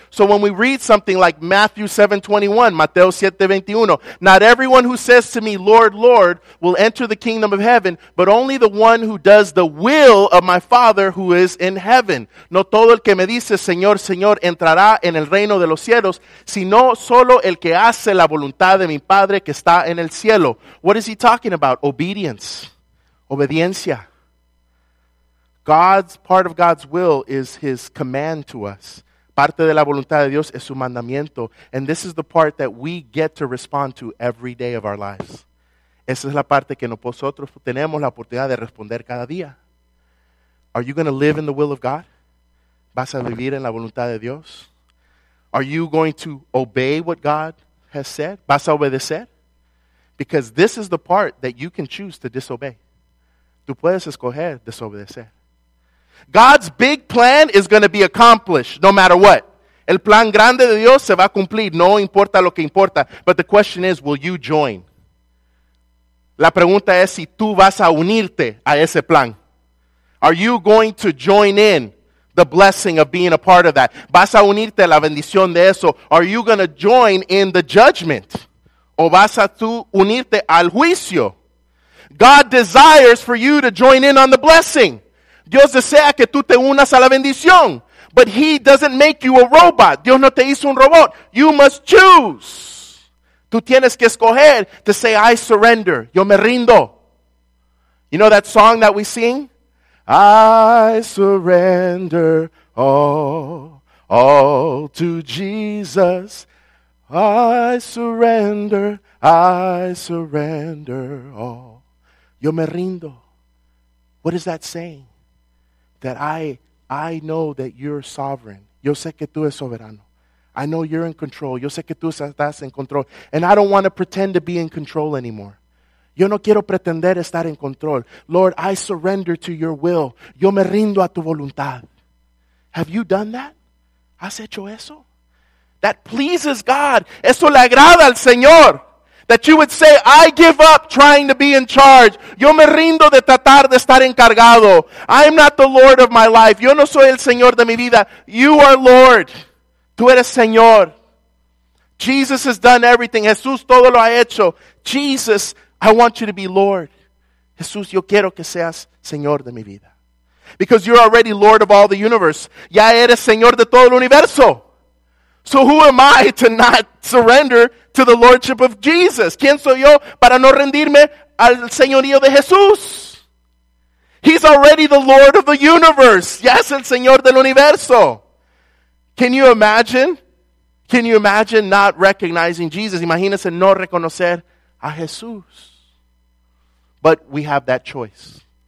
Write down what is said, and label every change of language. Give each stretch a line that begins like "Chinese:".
English: So when we read something like Matthew 7:21, Mateo 7:21, not everyone who says to me, Lord, Lord, will enter the kingdom of heaven, but only the one who does the will of my Father who is in heaven.
Spanish: No todo el que me dice, Señor, Señor, entrará en el reino de los cielos, sino solo el que hace la voluntad de mi Padre que está en el cielo.
English: What is he talking about? Obedience.
Spanish: Obediencia.
English: God's part of God's will is his command to us.
Spanish: Parte de la voluntad de Dios es su mandamiento.
English: And this is the part that we get to respond to every day of our lives.
Spanish: Esa es la parte que nosotros tenemos la oportunidad de responder cada día.
English: Are you going to live in the will of God?
Spanish: ¿Vas a vivir en la voluntad de Dios?
English: Are you going to obey what God has said?
Spanish: ¿Vas a obedecer?
English: Because this is the part that you can choose to disobey.
Spanish: Tú puedes escoger desobedecer.
English: God's big plan is going to be accomplished no matter what.
Spanish: El plan grande de Dios se va a cumplir, no importa lo que importa.
English: But the question is, will you join?
Spanish: La pregunta es si tú vas a unirte a ese plan.
English: Are you going to join in the blessing of being a part of that?
Spanish: ¿Vas a unirte a la bendición de eso?
English: Are you going to join in the judgment?
Spanish: ¿O vas a tú unirte al juicio?
English: God desires for you to join in on the blessing.
Spanish: Dios desea que tú te unas a la bendición.
English: But he doesn't make you a robot.
Spanish: Dios no te hizo un robot.
English: You must choose.
Spanish: Tú tienes que escoger
English: to say, I surrender.
Spanish: Yo me rindo.
English: You know that song that we sing? I surrender all to Jesus. I surrender all.
Spanish: Yo me rindo.
English: What is that saying? That I know that you're sovereign.
Spanish: Yo sé que tú eres soberano.
English: I know you're in control.
Spanish: Yo sé que tú estás en control.
English: And I don't want to pretend to be in control anymore.
Spanish: Yo no quiero pretender estar en control.
English: Lord, I surrender to your will.
Spanish: Yo me rindo a tu voluntad.
English: Have you done that?
Spanish: ¿Has hecho eso?
English: That pleases God.
Spanish: Eso le agrada al Señor.
English: That you would say, I give up trying to be in charge.
Spanish: Yo me rindo de tratar de estar encargado.
English: I'm not the Lord of my life.
Spanish: Yo no soy el Señor de mi vida.
English: You are Lord.
Spanish: Tú eres Señor.
English: Jesus has done everything.
Spanish: Jesús todo lo ha hecho.
English: Jesus, I want you to be Lord.
Spanish: Jesús, yo quiero que seas Señor de mi vida.
English: Because you're already Lord of all the universe.
Spanish: Ya eres Señor de todo el universo.
English: So who am I to not surrender to the Lordship of Jesus?
Spanish: ¿Quién soy yo para no rendirme al Señorío de Jesús?
English: He's already the Lord of the universe. Yes,
Spanish: el Señor del Universo.
English: Can you imagine? Can you imagine not recognizing Jesus?
Spanish: Imagínese no reconocer a Jesús.
English: But we have that choice.